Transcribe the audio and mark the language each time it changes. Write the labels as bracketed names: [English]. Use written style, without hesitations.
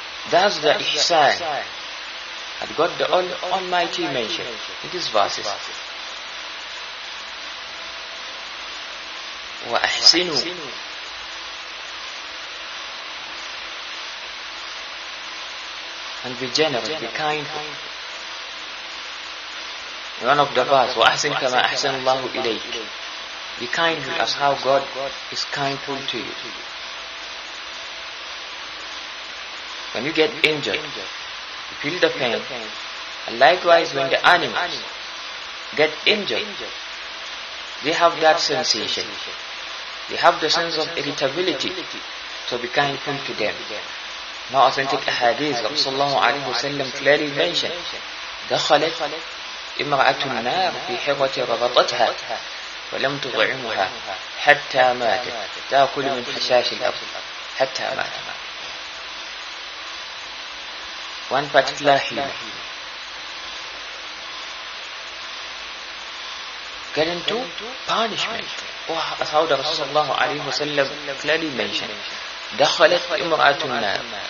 [English] That's the ihsan that God the Almighty mentioned in these verses. [Arabic] وَأَحْسِنُوا [English] and be generous, be kind. One of the verse, [Arabic] وَأَحْسِنْ كَمَا أَحْسَنُ اللَّهُ إِلَيْكَ. [English] Be kind as how God is kindful to you. When you get injured, you feel the pain. And likewise, when the animals get injured, they have that sensation. They have the sense of irritability. So be kindful to them. Now authentic hadith of sallallahu alayhi wa sallam clearly mentioned, [Arabic] دخلت امرأة النار في حيرة ربطتها ولم تضعمها حتى ماتت تأكل من حشاش الأرض حتى ماتت. [English] One particular human get into punishment. Oh, as how the Rasulullah alayhi wa sallam clearly mentioned, [Arabic] دخلت امرأة النار.